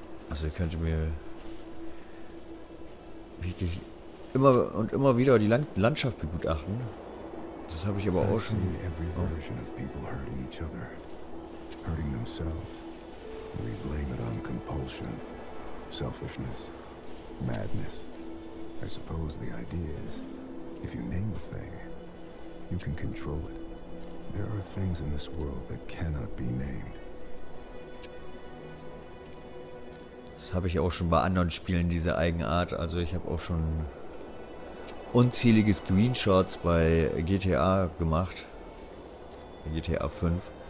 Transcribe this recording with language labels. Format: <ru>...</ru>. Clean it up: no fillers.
<de>Also ich könnte mir wirklich immer und immer wieder die Landschaft begutachten. Das habe ich aber auch schon.</de> <en>Seen every version of people hurting each other, hurting themselves. We blame it on compulsion, selfishness, madness. I suppose the idea is, if you name a thing, you can control it. There are things in this world that cannot be named.</en> <de>Das habe ich auch schon bei anderen Spielen, diese Eigenart. Also ich habe auch schon unzählige Screenshots bei GTA gemacht. GTA 5.</de>